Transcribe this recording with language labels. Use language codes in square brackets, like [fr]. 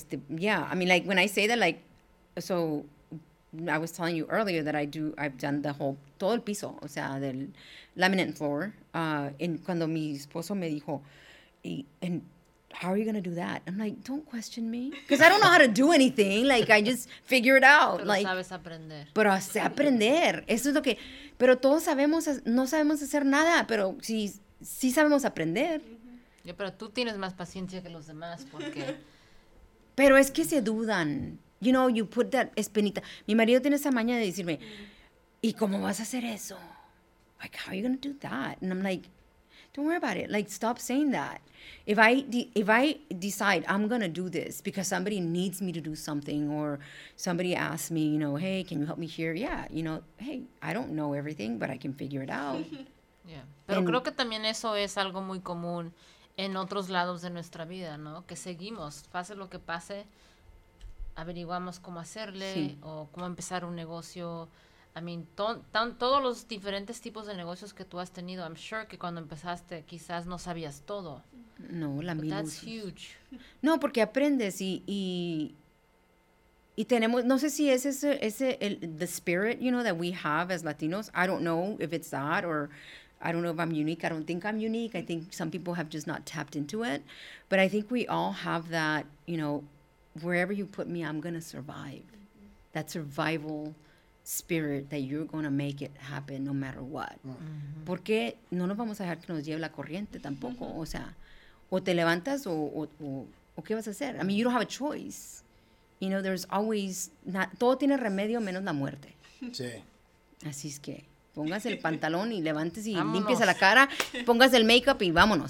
[en] Yeah, I mean, like, when I say that, like, so I was telling you earlier that I've done the whole, [es] todo el piso, o sea, del [en] laminate floor. And [es] cuando mi esposo me dijo, [en] and how are you going to do that? I'm like, don't question me. Because I don't know how to do anything. Like, I just figure it out. [es] Pero [en] like, [es] sabes aprender. Pero sé aprender. Eso es lo que, pero todos sabemos, no sabemos hacer nada, pero sí sabemos aprender. Mm-hmm. Yeah, pero tú tienes más paciencia que los demás, porque... Pero es que se dudan. [en] You know, you put that espinita. [es] Mi marido tiene esa maña de decirme, ¿y cómo vas a hacer eso? [en] Like, how are you going to do that? And I'm like, don't worry about it. Like, stop saying that. If I decide I'm going to do this because somebody needs me to do something or somebody asks me, you know, hey, can you help me here? Yeah, you know, hey, I don't know everything, but I can figure it out. Yeah. [es] Pero creo que también eso es algo muy común en otros lados de nuestra vida, ¿no? Que seguimos, pase lo que pase, averiguamos cómo hacerle sí. o cómo empezar un negocio. [en] I mean, [es] todos los diferentes tipos de negocios que tú has tenido, [en] I'm sure [es] que cuando empezaste quizás no sabías todo. No, la misma. [en] That's huge. [es] No, porque aprendes y tenemos, no sé si es ese [en] the spirit, you know, that we have as Latinos. I don't know if it's that or I don't know if I'm unique. I don't think I'm unique. I think some people have just not tapped into it. But I think we all have that, you know, wherever you put me, I'm going to survive. Mm-hmm. That survival spirit that you're going to make it happen no matter what. Mm-hmm. [es] Porque no nos vamos a dejar que nos lleve la corriente tampoco. O sea, o te levantas o qué vas a hacer. [en] I mean, you don't have a choice. You know, there's always... [es] todo tiene remedio menos la muerte. Sí. Así es que... Póngase el pantalón y levántese y limpies la cara, póngase el make-up y vámonos.